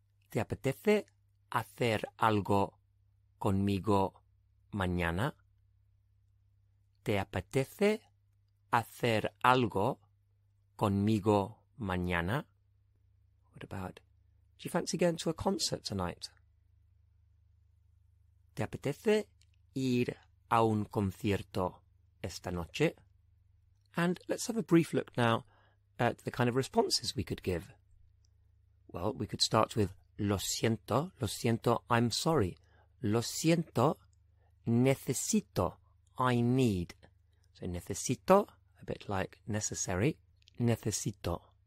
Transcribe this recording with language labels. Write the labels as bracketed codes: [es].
[es] ¿Te apetece hacer algo conmigo mañana? ¿Te apetece hacer algo conmigo mañana? [en] What about, do you fancy going to a concert tonight? [es] ¿Te apetece ir a un concierto esta noche? [en] And let's have a brief look now at the kind of responses we could give. Well, we could start with [es] lo siento, [en] I'm sorry. [es] Lo siento, necesito, [en] I need. So necesito, a bit like necessary, necesito.